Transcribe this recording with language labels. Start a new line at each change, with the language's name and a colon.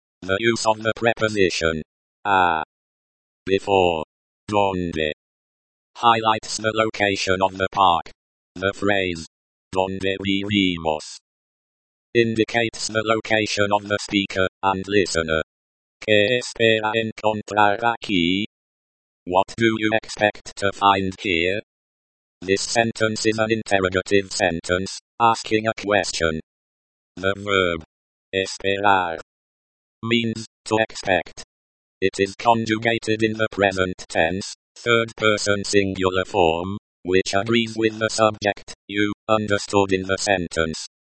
English: The use of the preposition.
Spanish: A.
English: Before.
Spanish: Donde.
English: Highlights the location of the park. The phrase.
Spanish: Donde vivimos.
English: Indicates the location of the speaker and listener.
Spanish: ¿Qué espera encontrar aquí?
English: What do you expect to find here? This sentence is an interrogative sentence, asking a question. The verb esperar means to expect. It is conjugated in the present tense, third person singular form, which agrees with the subject you understood in the sentence.